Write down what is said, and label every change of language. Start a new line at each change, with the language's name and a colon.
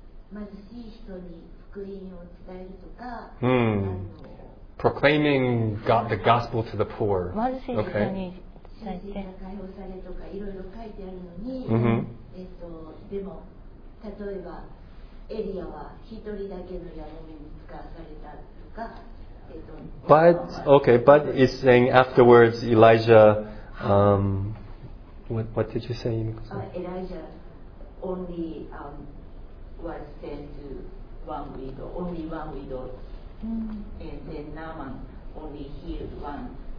Japanese: 貧しい人に福音を伝えるとか、
English: Proclaiming the gospel to the poor.
Japanese: 貧しい人に解放されとかいろいろ書いてあるのに、でも例えばエリアは一人だけのヤモメに使わされたとか。
English: But okay, but it's saying afterwards, Elijah. What did you say? Elijah only was sent to one widow, and then Naaman only healed one.